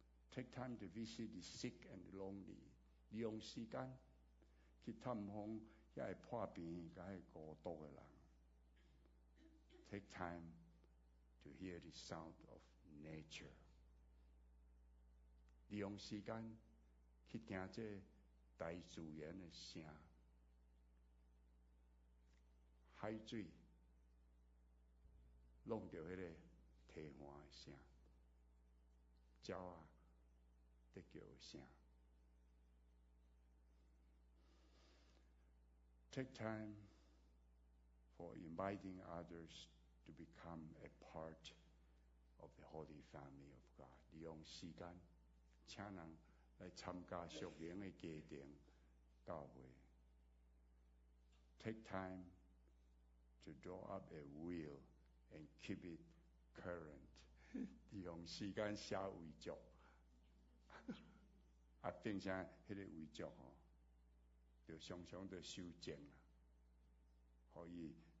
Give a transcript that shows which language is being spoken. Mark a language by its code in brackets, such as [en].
[en] Take time to visit the sick and the lonely. [nan] 利用时间去探访遐个破病甲遐孤独的人。 [en] Take time to hear the sound of nature. [nan] 利用时间去听这大自然的声，海水弄到迄个提花的声，鸟啊在叫声。 [en] Take time for inviting others. To become a part of the Holy Family of God. [nan] 利用时间，请人来参加属灵的家庭教会。 [en] Take time to draw up a will and keep it current. [nan] 利用时间写遗嘱，啊，并且迄个遗嘱吼，要常常的修正啊，可以。